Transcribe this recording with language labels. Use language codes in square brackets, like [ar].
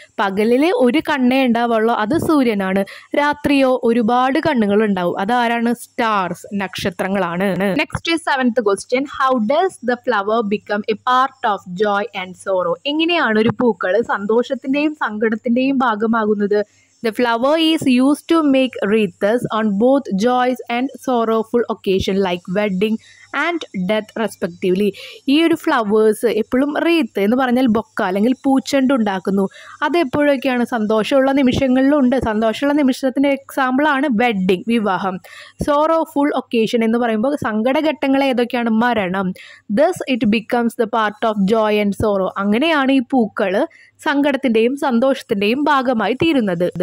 [ml] പകലിലെ ഒരു കണ്ണേ ഉണ്ടാവുള്ളൂ, അത് സൂര്യനാണ്. രാത്രിയോ ഒരുപാട് കണ്ണുകൾ ഉണ്ടാവും, അതാരാണ്? [en] Stars, നക്ഷത്രങ്ങളാണ്. Next seventh question, how does the flower become a part of joy and sorrow. [ml] എങ്ങനെയാണ് ഒരു പൂക്കൾ സന്തോഷത്തിൻ്റെയും സങ്കടത്തിൻ്റെയും ഭാഗമാകുന്നത്? [en] The flower is used to make wreaths on both joyous and sorrowful occasion like wedding and death respectively. [ml] ഈ ഒരു flowers എപ്പോഴും wreath എന്ന് പറഞ്ഞാൽ bouquet അല്ലെങ്കിൽ പൂച്ചെണ്ട് ഉണ്ടാക്കുന്നു. അതെപ്പോഴൊക്കെയാണ്, സന്തോഷമുള്ള നിമിഷങ്ങളിലും ഉണ്ട്. സന്തോഷമുള്ള നിമിഷത്തിൻ്റെ എക്സാമ്പിളാണ് വെഡ്ഡിങ്, വിവാഹം. [en] sorrowful occasion [ml] എന്ന് പറയുമ്പോൾ സങ്കടഘട്ടങ്ങൾ ഏതൊക്കെയാണ്, മരണം. [en] Thus it becomes the part of joy and sorrow. [ml] അങ്ങനെയാണ് ഈ പൂക്കൾ സങ്കടത്തിൻ്റെയും സന്തോഷത്തിൻ്റെയും ഭാഗമായി തീരുന്നത്.